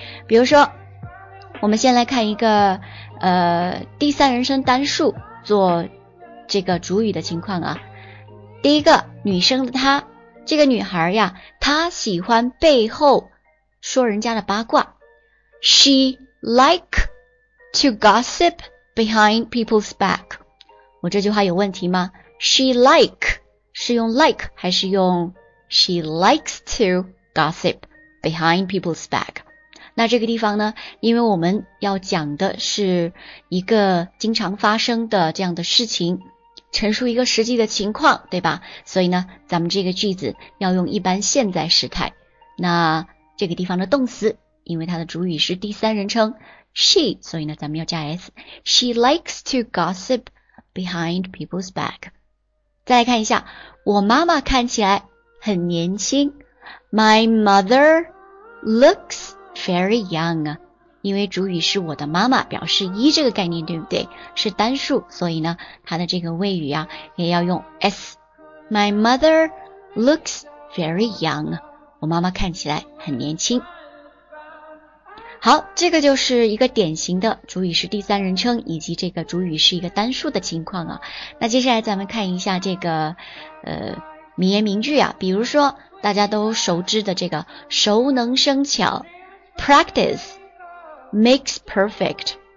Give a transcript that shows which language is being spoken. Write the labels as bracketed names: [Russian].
[Chinese] 比如说我们先来看一个第三人称单数做这个主语的情况啊。第一个，女生的她，这个女孩呀，她喜欢背后说人家的八卦。 [English] She like to gossip behind people's back。 [Chinese] 我这句话有问题吗？ [English] She like [Chinese] 是用 like 还是用 [English] She likes to gossip behind people's back. [Chinese] 那这个地方呢，因为我们要讲的是一个经常发生的这样的事情，陈述一个实际的情况，对吧？所以呢，咱们这个句子要用一般现在时态。那这个地方的动词，因为它的主语是第三人称 she， 所以呢，咱们要加 s。 [English] She likes to gossip behind people's back。 [Chinese] 再来看一下，我妈妈看起来很年轻。 [English] My mother looks very young。 [Chinese] 因为主语是我的妈妈，表示一这个概念，对不对？是单数，所以呢，它的这个谓语啊，也要用 s。 [English] My mother looks very young。 [Chinese] 我妈妈看起来很年轻。好，这个就是一个典型的主语是第三人称以及这个主语是一个单数的情况啊。那接下来咱们看一下这个名言名句啊，比如说大家都熟知的这个熟能生巧 , [English] practice makes perfect。